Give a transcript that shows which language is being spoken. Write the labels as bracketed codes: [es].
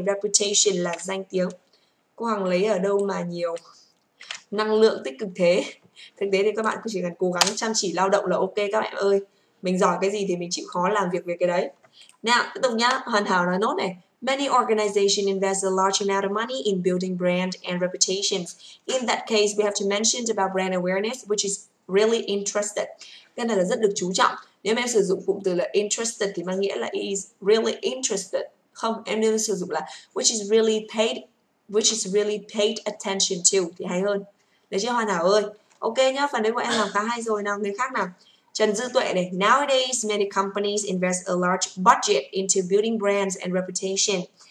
[vi] Reputation là danh tiếng. Cô Hằng lấy ở đâu mà nhiều năng lượng tích cực thế? Thực tế thì các bạn cứ chỉ cần cố gắng chăm chỉ lao động là ok các bạn ơi. Mình giỏi cái gì thì mình chịu khó làm việc về cái đấy. Nào, tiếp tục nhá, hoàn hảo nói nốt này. [en] Many organizations invest a large amount of money in building brand and reputations. In that case, we have to mention about brand awareness, which is really interested. [vi] Cái này là rất được chú trọng. Nếu mà em sử dụng cụm từ là interested thì mang nghĩa là [en] is really interested. [vi] Không, em nên sử dụng là [en] which is really paid attention to [vi] thì hay hơn. Được chưa hoàn hảo ơi? Ok nhá, phần đấy của em làm khá hay rồi. Nào, người khác nào? [en] Trần Dư Tuệ này, nowadays many companies invest a large budget into building brands and reputation.